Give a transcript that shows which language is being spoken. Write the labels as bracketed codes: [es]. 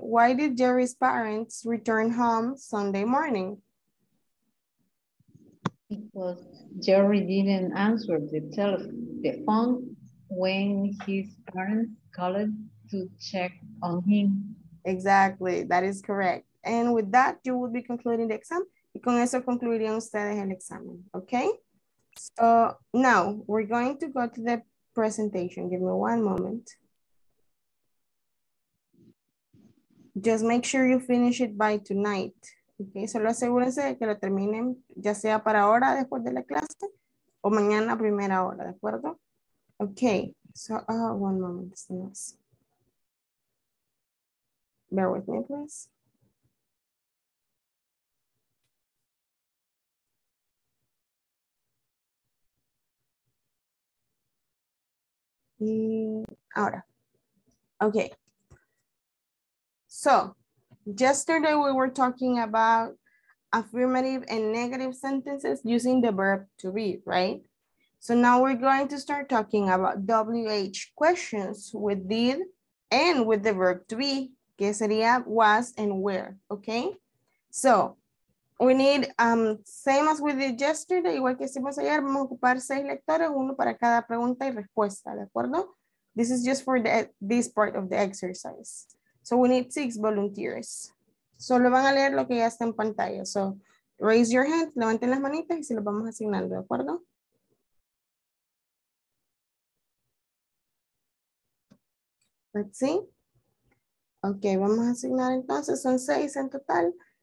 [en] Why did Jerry's parents return home Sunday morning? Because Jerry didn't answer the phone when his parents called to check on him. Exactly, that is correct. And with that, you will be concluding the exam. [es] Y con eso concluirían ustedes el examen, okay? [en] So now we're going to go to the presentation. Give me one moment. Just make sure you finish it by tonight. [es] Okay, solo asegúrense de que lo terminen, ya sea para ahora después de la clase o mañana primera hora, ¿de acuerdo? [en] Okay, so one moment, bear with me, please. [es] Ahora. [en] Okay. So, yesterday we were talking about affirmative and negative sentences using the verb to be, right? So now we're going to start talking about WH questions with did and with the verb to be, [es] que sería [en] was and where, okay? So, we need, same as we did yesterday, [es] igual que hicimos ayer, vamos a ocupar seis lectores, uno para cada pregunta y respuesta, ¿de acuerdo? [en] This is just for this part of the exercise. So we need six volunteers. [es] Solo van a leer lo que ya está en pantalla. [en] So raise your hand, [es] levanten las manitas y se los vamos asignando, ¿de acuerdo? [en] Let's see. [es] Okay, vamos a asignar entonces, son seis en total.